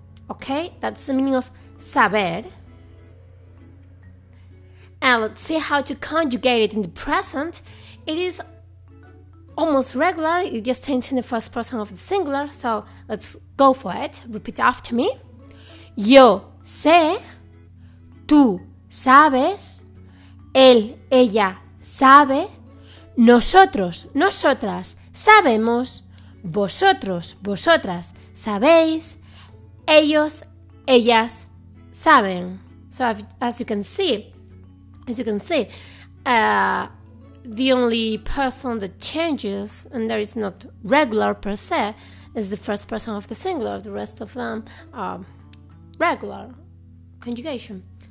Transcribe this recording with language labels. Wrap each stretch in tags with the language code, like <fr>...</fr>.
<en>Okay, that's the meaning of saber. And let's see how to conjugate it in the present. It is almost regular, it just turns in the first person of the singular, so let's go for it. Repeat after me.</en> <es>Yo sé, tú sabes, él, ella sabe, nosotros, nosotras sabemos, vosotros, vosotras sabéis, ellos, ellas saben.</es> <en>So as you can see, the only person that changes, and there is not regular per se, is the first person of the singular. The rest of them are regular conjugation.</en>